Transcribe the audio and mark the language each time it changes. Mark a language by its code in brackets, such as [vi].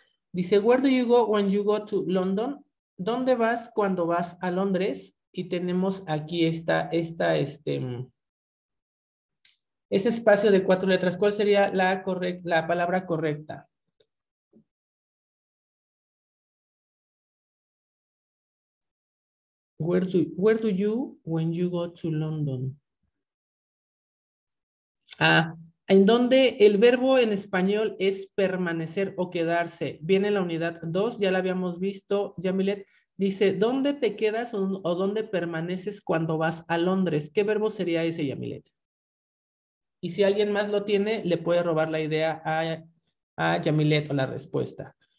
[es] Dice, [en] where do you go when you go to London? [es] ¿Dónde vas cuando vas a Londres? Y tenemos aquí ese espacio de cuatro letras. ¿Cuál sería la palabra correcta? [en] Where do you when you go to London? Ah. [es] En donde el verbo en español es permanecer o quedarse. Viene la unidad 2, ya la habíamos visto, Yamilet. Dice, ¿dónde te quedas o dónde permaneces cuando vas a Londres? ¿Qué verbo sería ese, Yamilet? Y si alguien más lo tiene, le puede robar la idea a Yamilet o la respuesta.